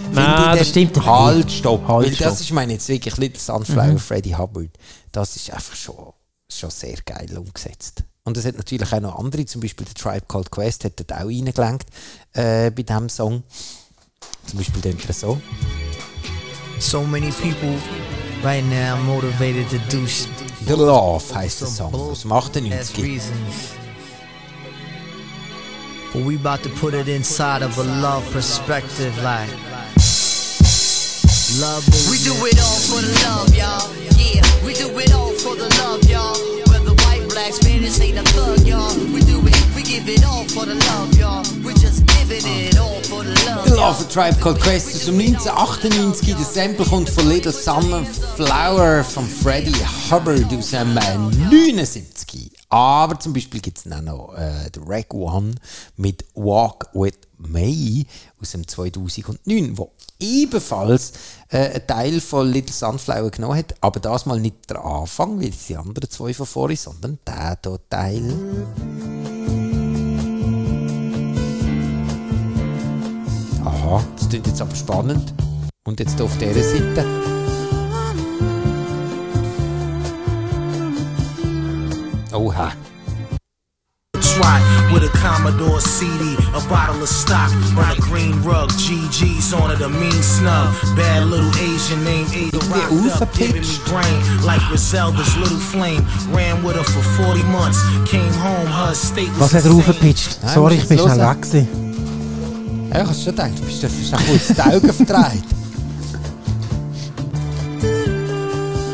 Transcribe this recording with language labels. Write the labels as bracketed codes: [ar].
[de] Nein, das stimmt. Halt, stopp. Halt, das ist meine jetzt wirklich Little Sunflower, Freddie Hubbard. Das ist einfach schon sehr geil umgesetzt. Und es hat natürlich auch noch andere, zum Beispiel der Tribe Called Quest hat dort auch reingelenkt bei diesem Song. Zum Beispiel den so. [en] So many people right now motivated to do shit. [de] The Love heisst der Song aus dem 98. [en] But we about to put it inside of a love perspective like love. We do it all for the love, y'all. Yeah, we do it all for the love, y'all. Whether white, black, Spanish, ain't a thug, y'all. We do it, we give it all for the love, y'all. We just giving it all for the love. [de] The Love of Tribe Called Quest aus dem 1998. Das Sample kommt von Little Sunflower von Freddie Hubbard aus dem 79. Aber zum Beispiel gibt es dann noch The Rag One mit Walk With Me aus dem 2009, wo ebenfalls ein Teil von Little Sunflower genommen hat, aber das mal nicht der Anfang, wie die anderen zwei von vorhin, sondern dieser Teil. Aha, das klingt jetzt aber spannend. Und jetzt hier auf dieser Seite. Oha. [en] With a Commodore CD, a bottle of stock, on a green rug, GG's on it, a mean snub, bad little Asian named Ada rocked up, giving me brain, like Griselda's little flame, ran with her for 40 months, came home, her state was insane. [de] Was hat er sorry, ich bin schnell weg gewesen. Ja, ich hab's schon gedacht, du bist doch schon kurz die Augen verdreht.